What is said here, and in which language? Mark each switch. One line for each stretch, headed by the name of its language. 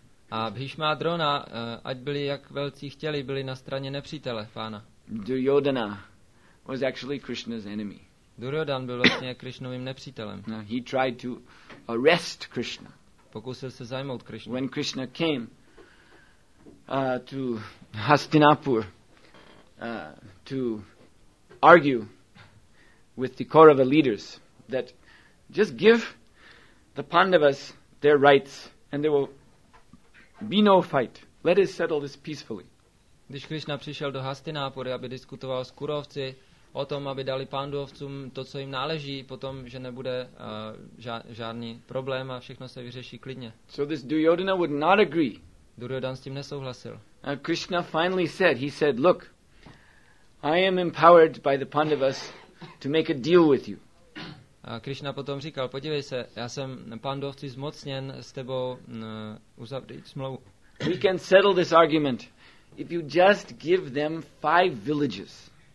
Czech: A Bhishma a Drona, ať byli jak velcí chtěli, byli na straně nepřítele pána.
English: Duryodhana was actually Krishna's enemy.
Czech: Duryodhan byl vlastně Krišnovým nepřítelem.
English: He tried to arrest Krishna.
Czech: Pokusil se zajmout Krišnu.
English: When Krishna came to Hastinapur to argue with the Kaurava leaders that just give the Pandavas their rights and they will be no fight. Let us settle this peacefully.
Czech: Když Krišna přišel do Hastinapury, aby diskutoval s Kurovci o tom, aby dali Pandovcům to, co jim náleží, potom, že nebude žádný problém a všechno se vyřeší klidně.
English: So this Duryodhana would not agree.
Czech: Duryodhan s tím nesouhlasil.
English: And Krishna finally said, he said, look, I am empowered by the Pandavas to make a deal with you.
Czech: A Krišna potom říkal, podívej se, já jsem Pandovci zmocněn s tebou uzavřít smlouvu.
English: We can settle this argument if you just give them 5 villages.